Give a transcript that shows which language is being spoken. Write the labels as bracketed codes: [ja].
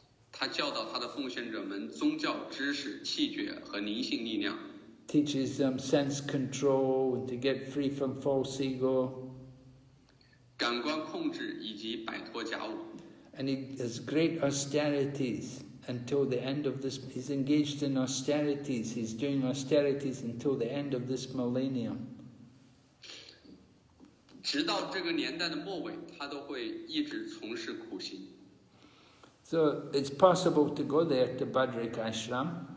[zh] 他教导他的奉献者们宗教知识、气诀和灵性力量。 [en] Teaches them sense control to get free from false ego. [zh] 感官控制以及摆脱假我。 [en] And he has great austerities until the end of this. He's engaged in austerities. He's doing austerities until the end of this millennium. [zh] 直到这个年代的末尾，他都会一直从事苦行。 [en] So it's possible to go there to Bhadrik Ashram.